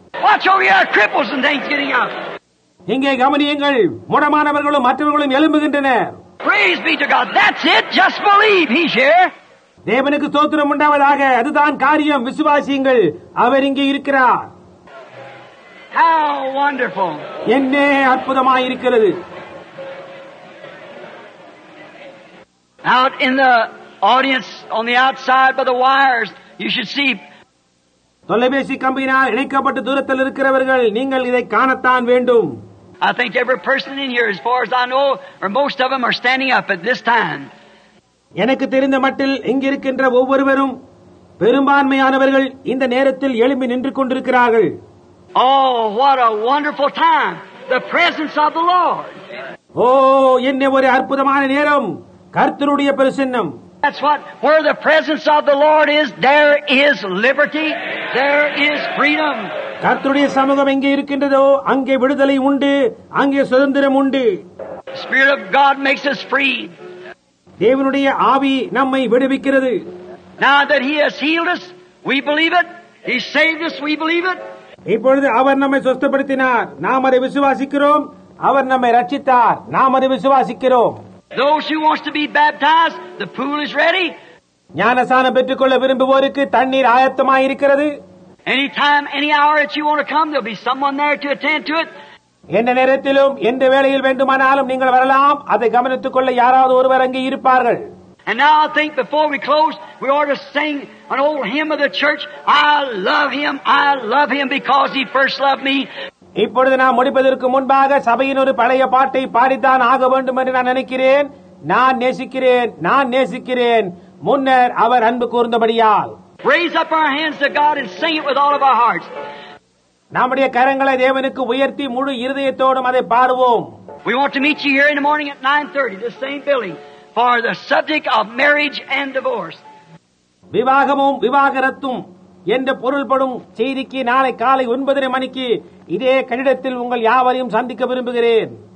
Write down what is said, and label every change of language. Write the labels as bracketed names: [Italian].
[English] Watch over your cripples and things getting up. [Tamil] இங்கே கவனியுங்கள், முடமானவர்களும் மற்றவர்களும் எழும்புகின்றனர். [English] Praise be to God. That's it. Just believe. He's here. [Tamil] தேவனுக்கு ஸ்தோத்திரம் உண்டாவதாக. அதுதான் காரியம். விசுவாசியுங்கள், அவர் இங்கே இருக்கிறார். [English] How wonderful. [Tamil] என்ன அற்புதமாக இருக்கிறது. [English] Out in the audience on the outside by the wires, you should see [Tamil] தொலைபேசி கம்பியினால் இணைக்கப்பட்டு தூரத்தில் இருக்கிறவர்கள் நீங்கள் இதை காணத்தான் வேண்டும். [English] I think every person in here, as far as I know, or most of them are standing up at this time. [Tamil] எனக்கு தெரிந்த மட்டில் இங்கிருக்கின்ற ஒவ்வொருவரும் பெரும்பான்மையானவர்கள் இந்த நேரத்தில் எழும்பி நின்று கொண்டிருக்கிறார்கள். [English] Oh, what a wonderful time! The presence of the Lord. [Tamil] Oh, என்ன ஒரு அற்புதமான நேரம். கர்த்தருடைய பரிசுத்தம். [English] That's what, where the presence of the Lord is, there is liberty, there is freedom. [Tamil] கர்த்தருடைய சமூகம் எங்கே இருக்கின்றதோ அங்கே விடுதலை உண்டு, அங்கே சுதந்திரம் உண்டு. [English] Spirit of God makes us free. [Tamil] தேவனுடைய ஆவி நம்மை விடுவிக்கிறது. [English] Now that he has healed us, we believe it. He saved us, we believe it. [Tamil] இப்பொழுது அவர் நம்மை சுத்தப்படுத்தினார், நாம் அதை விசுவாசிக்கிறோம். அவர் நம்மை ரட்சித்தார், நாம் அதை விசுவாசிக்கிறோம். [English] Those who wants to be baptized, the pool is ready. [Tamil] ஞானசான பெற்றுக்கொள்ள விரும்புவோருக்கு தண்ணீர் ஆயத்தமாக இருக்கிறது. [English] Any time, any hour that you want to come, there'll be someone there to attend to it. [Tamil] எந்த நேரத்திலும் எந்த வேளையில் வேண்டுமானாலும் நீங்கள் வரலாம். அதை கவனித்துக் கொள்ள யாராவது ஒருவர் அங்கே இருப்பார்கள். [English] And now I think before we close, we ought to sing an old hymn of the church. I love him because he first loved me. [Tamil] இப்பொழுது நான் முடிப்பதற்கு முன்பாக சபையின் ஒரு பழைய பாட்டை பாடித்தான் ஆக வேண்டும் என்று நான் நினைக்கிறேன். நான் நேசிக்கிறேன், நான் நேசிக்கிறேன், முன்னர் அவர் அன்பு கூர்ந்தபடியால். [English] Raise up our hands to God and sing it with all of our hearts. [Tamil] நம்முடைய கரங்களை தேவனுக்கு உயர்த்தி முழு இருதயத்தோடும் அதை பாடுவோம். [English] We want to meet you here in the morning at 9:30, the same building, for the subject of marriage and divorce. [Tamil] விவாகமும் விவாகரத்தும் என்று பொருள்படும் செய்திக்கு நாளை காலை 9:30 இதே கட்டிடத்தில் உங்கள் யாவரையும் சந்திக்க விரும்புகிறேன்.